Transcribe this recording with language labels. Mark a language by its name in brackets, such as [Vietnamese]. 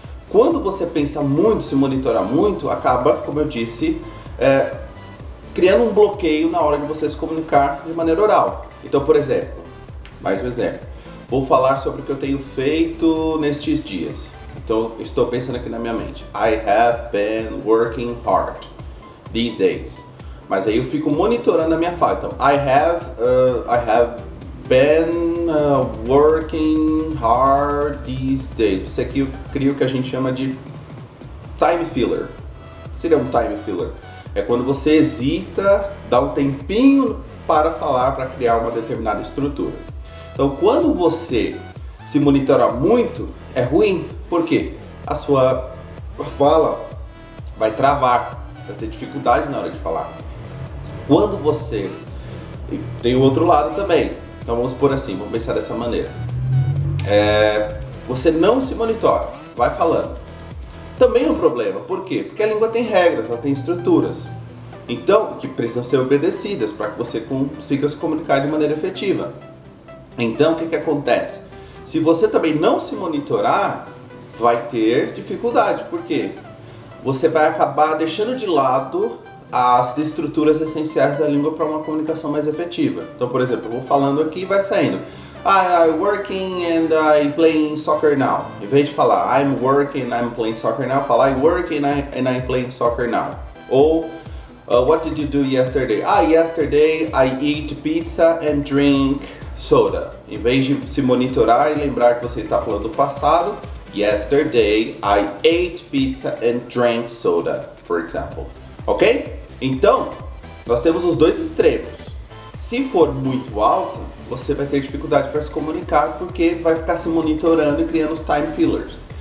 [Portuguese] Quando você pensa muito, se monitora muito, acaba, como eu disse, criando um bloqueio na hora de você se comunicar de maneira oral. Então, por exemplo, mais um exemplo, vou falar sobre o que eu tenho feito nestes dias. Então, estou pensando aqui na minha mente, [English] I have been working hard these days. [Portuguese] Mas aí eu fico monitorando a minha fala. Então, [English] I have been working hard these days. [Portuguese] Isso aqui eu crio o que a gente chama de time filler. Seria um time filler? É quando você hesita, dá um tempinho para falar, para criar uma determinada estrutura. Então, quando você se monitora muito, é ruim. Por quê? A sua fala vai travar, vai ter dificuldade na hora de falar. Quando você, e tem o outro lado também, então vamos por assim, vamos pensar dessa maneira. Você não se monitora, vai falando. Também é um problema, por quê? Porque a língua tem regras, ela tem estruturas. Então, que precisam ser obedecidas para que você consiga se comunicar de maneira efetiva. Então, o que acontece? Se você também não se monitorar, vai ter dificuldade, por quê? Você vai acabar deixando de lado as estruturas essenciais da língua para uma comunicação mais efetiva. Então, por exemplo, eu vou falando aqui e vai saindo [English] I'm working and I'm playing soccer now. [Portuguese] Em vez de falar [English] I'm working and I'm playing soccer now, [Portuguese] fala [English] I'm working and I'm playing soccer now. Ou what did you do yesterday? Yesterday I eat pizza and drink soda. [Portuguese] Em vez de se monitorar e lembrar que você está falando do passado, [English] yesterday I ate pizza and drank soda, for example. Ok? [Portuguese] Então, nós temos os dois extremos. Se for muito alto, você vai ter dificuldade para se comunicar porque vai ficar se monitorando e criando os time fillers.